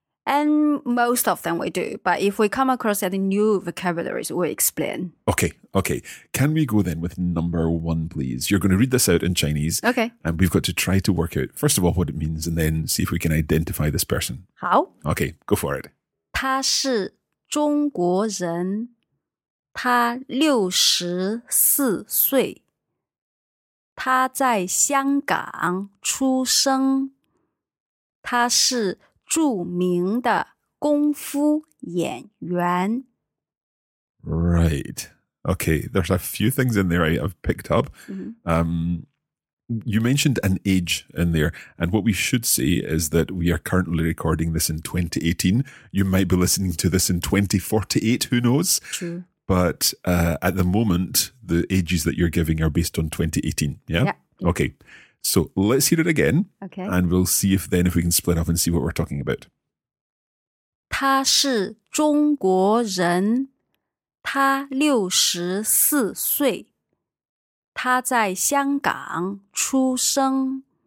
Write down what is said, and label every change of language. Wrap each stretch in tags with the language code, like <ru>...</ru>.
<en>And most of them we do. But if we come across any new vocabularies, we'll explain. Okay, okay. Can we go then with number one, please? You're going to read this out in Chinese. Okay. And we've got to try to work out, first of all, what it means, and then see if we can identify this person. How? Okay, go for it.</en> <zh>他是中国人, 他64岁, 他在香港出生, 他是 著名的功夫演员.</zh> <en>Right. Okay, there's a few things in there I've picked up. Mm-hmm. You mentioned an age in there, and what we should say is that we are currently recording this in 2018. You might be listening to this in 2048, who knows? True. But at the moment, the ages that you're giving are based on 2018, yeah? Yeah. Okay. So let's hear it again. Okay. And we'll see if then if we can split up and see what we're talking about.</en> <zh>他是中国人, 他64岁, 他在香港出生,</zh>